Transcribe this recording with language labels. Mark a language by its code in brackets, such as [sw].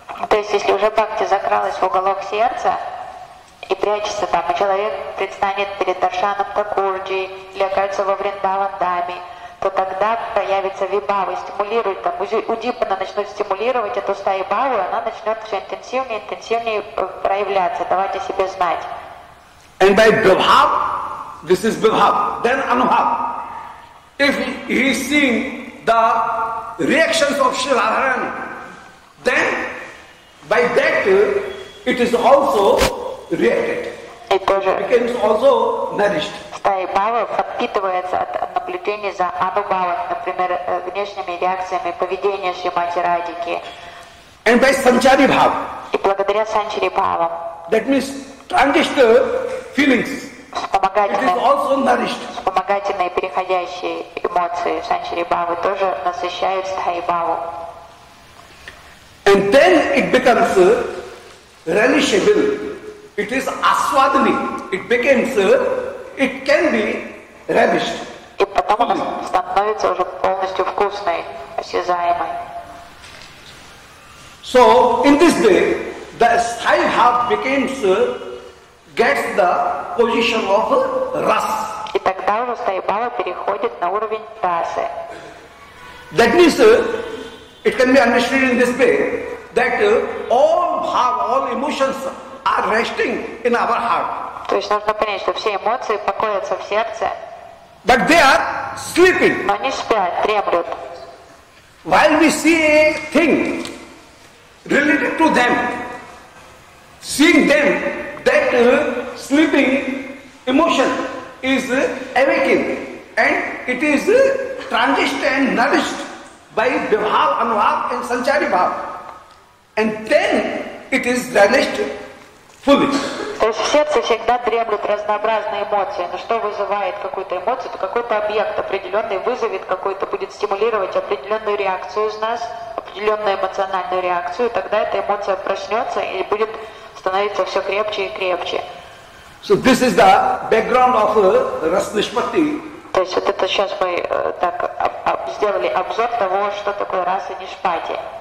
[ru] То есть, если уже бхакти закралась в уголок сердца, и прячется там, и человек предстанет перед Даршаном Такурджи, или окажется во Вриндаван Даме, то тогда появится вибава, стимулирует там, удипана начнет стимулировать эту стаю бхаву, она начнет все интенсивнее и интенсивнее проявляться, давать о себе знать. [en] And by vibhav, this is vibhav, then anubhav. If he is seeing the reactions of Sri Radharani. Then, by that, it is also reacted. It also becomes also nourished. [ru] Стая Бхава подпитывается от наблюдения за Анубхавой, например, внешними реакциями поведения Шримати Радики. [en] And by Санчари Бхава. [ru] И благодаря Санчари Бхава. [en] That means transitional feelings. [ru] Вспомогательные. [en] It is also nourished. [ru] Вспомогательные переходящие эмоции Санчари Бхавы тоже насыщают Стаи Бхаву. [en] And then it becomes relishable. It is aswadani. It becomes it can be relished. [ru] И потом она становится уже полностью вкусной, осязаемой. [en] So in this way, the sthayi bhava becomes gets the position of ras. [ru] И тогда уже sthayi bhava переходит на уровень расы. [en] That means it can be understood in this way that all bhava, all emotions are resting in our heart. [ru] То есть нужно понять, что все эмоции покоятся в сердце. [en] But they are sleeping. [ru] Но они спят, дремлют. [en] While we see a thing related to them, seeing them, that sleeping emotion is awakened and it is transitioned and nourished by Vibhav, Anubhav and Sanchari Bhav. And then it is relished fully. [ru] То есть в сердце всегда дремлют разнообразные эмоции. Но что вызывает какую-то эмоцию, то какой-то объект определенный вызовет какой-то, будет стимулировать определенную реакцию из нас, определенную эмоциональную реакцию, тогда эта эмоция проснется и будет становиться все крепче и крепче. [en] So this is the background of Rasnishpati. [ru] То есть вот это сейчас мы так сделали обзор того, что такое раса нишпати.